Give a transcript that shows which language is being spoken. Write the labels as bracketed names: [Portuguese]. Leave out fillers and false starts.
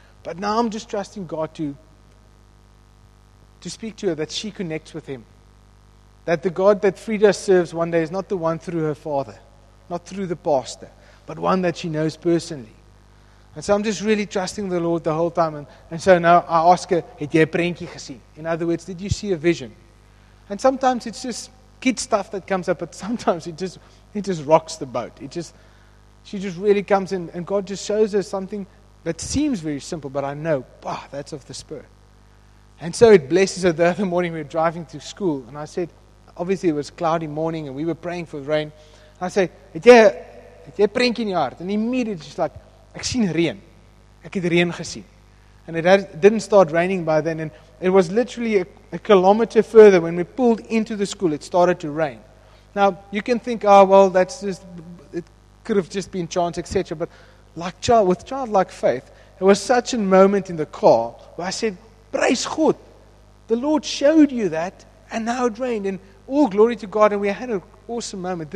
[English] But now I'm just trusting God to speak to her, that she connects with him. That the God that Frida serves one day is not the one through her father, not through the pastor, but one that she knows personally. And so I'm just really trusting the Lord the whole time. And so now I ask her, [Afrikaans] het jy 'n prentjie gesien? [English] In other words, did you see a vision? And sometimes it's just kid stuff that comes up, but sometimes it just rocks the boat. She just really comes in, and God just shows her something that seems very simple, but I know, wow, that's of the Spirit. And so it blesses her. The other morning we were driving to school, and I said, obviously it was cloudy morning, and we were praying for the rain. And I said, [Afrikaans] het jy 'n prentjie in jou hart? [English] And immediately she's like, [Afrikaans] ek sien reën. Ek het reën gesien. [English] And it didn't start raining by then, and it was literally a kilometer further when we pulled into the school, it started to rain. Now, you can think, oh, well, that's just, it could have just been chance, etc. But with childlike faith, there was such a moment in the car where I said, praise God, the Lord showed you that, and now it rained, and all glory to God, and we had an awesome moment.